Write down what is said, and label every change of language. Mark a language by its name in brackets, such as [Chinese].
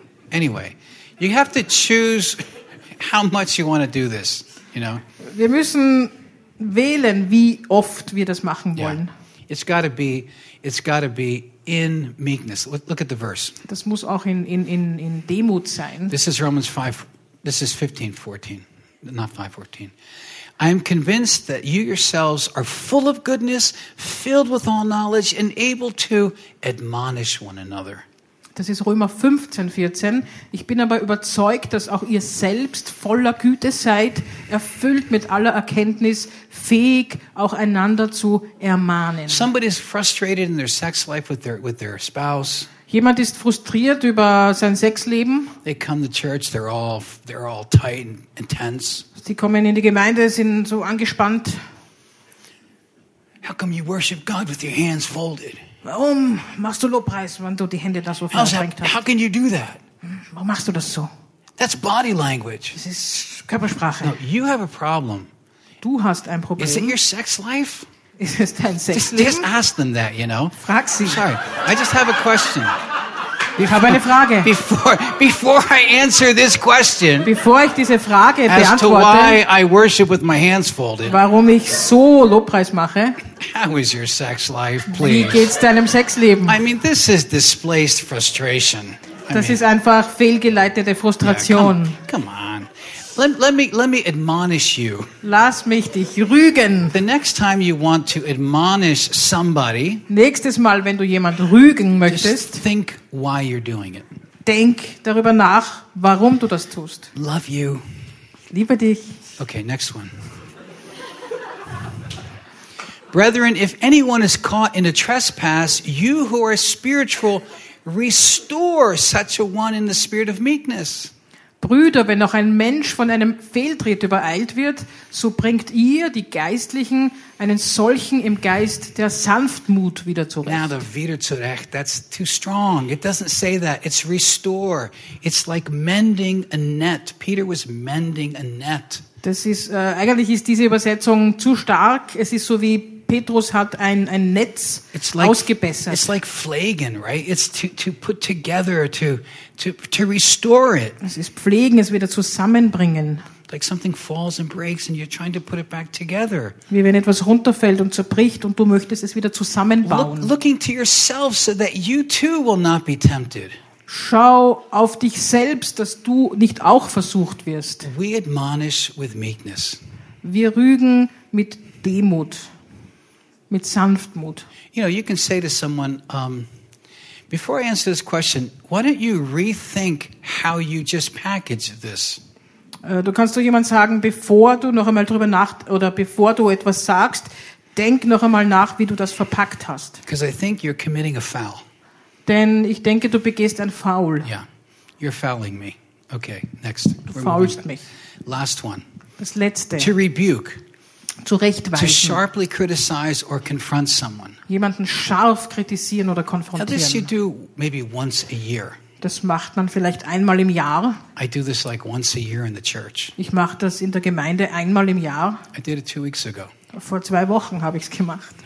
[English] Anyway, you have to choose how much you want to do this, you know? [German] Wir müssen wählen, wie oft wir das machen wollen. [English] Yeah. It's got to be in meekness. Look at the verse. [German] Das muss auch in Demut sein. [English] This is Romans 5. This is 15:14, not 5:14. I am convinced that you yourselves are full of goodness, filled with all knowledge, and able to admonish one another. [German] Das ist Römer 15:14. Ich bin aber überzeugt, dass auch ihr selbst voller Güte seid, erfüllt mit aller Erkenntnis, fähig, auch einander zu ermahnen. [English] Somebody is frustrated in their sex life with their spouse. [German] Jemand ist frustriert über sein Sexleben. [English] They come to church, they're all tight and intense. [German] Sie kommen in die Gemeinde, sind so angespannt. [English] How come you worship God with your hands folded? [German] Warum machst du Lobpreis, wenn du die Hände da so verschränkt hast? [English] How can you do that? [German] Warum machst du das so? [English] That's body language. [German] Das ist Körpersprache. [English] No, you have a problem. [German] Du hast ein Problem. [English] Is it your sex life? [German] Ist es dein Sexleben? [English] Just ask them that, you know. [German] Frag sie. [English] I'm sorry, I just have a question. [German] Ich habe eine Frage. [English] Before I answer this question, [German] bevor ich diese Frage beantworte, [English] as to why I worship with my hands folded, [German] warum ich so Lobpreis mache, [English] how is your sex life, please? [German] Wie geht's deinem Sexleben? [English] I mean, this is displaced frustration. [German] Ist einfach fehlgeleitete Frustration. [English] Yeah, come on. Let me admonish you. [German] Lass mich dich rügen. [English] The next time you want to admonish somebody, [German] nächstes Mal, wenn du jemand rügen möchtest, [English] just think why you're doing it. [German] Denk darüber nach, warum du das tust. [English] Love you. [German] Liebe dich. [English] Okay, next one. Brethren, if anyone is caught in a trespass, you who are spiritual, restore such a one in the spirit of meekness. [German] Brüder, wenn auch ein Mensch von einem Fehltritt übereilt wird, so bringt ihr, die Geistlichen, einen solchen im Geist der Sanftmut wieder zurecht. [English] Now, [German] wieder zurecht, [English] that's too strong. It doesn't say that. It's restore. It's like mending a net. Peter was mending a net. [German] Das ist, eigentlich ist diese Übersetzung zu stark. Es ist so wie Petrus hat ein Netz ausgebessert. [English] It's like pflegen, right? It's to put together, to restore it. [German] Es ist pflegen, es wieder zusammenbringen. [English] Like something falls and breaks and you're trying to put it back together. [German] Wie wenn etwas runterfällt und zerbricht und du möchtest es wieder zusammenbauen. [English] Looking to yourself so that you too will not be tempted. [German] Schau auf dich selbst, dass du nicht auch versucht wirst. [English] We admonish with meekness. [German] Wir rügen mit Demut. Mit Sanftmut. [English] You know, you can say to someone, before I answer this question, why don't you rethink how you just package this? [German] Du kannst doch jemand sagen, bevor du noch einmal drüber nach oder bevor du etwas sagst, denk noch einmal nach, wie du das verpackt hast. [English] Because I think you're committing a foul. [German] Denn ich denke, du begehst ein Foul. [English] Yeah, you're fouling me. Okay, next. [German] Du faulst mich. [English] Last one. [German] Das letzte. [English] To rebuke. [German] Zurechtweisen. [English] To sharply criticize or confront someone. [German] Jemanden scharf kritisieren oder konfrontieren. [English] This you do maybe once a year. [German] Das macht man vielleicht einmal im Jahr. [English] I do this like once a year in the church. [German] Ich mache das in der Gemeinde einmal im Jahr. [English] I did it 2 weeks ago. [German] Vor 2 Wochen habe ich es gemacht.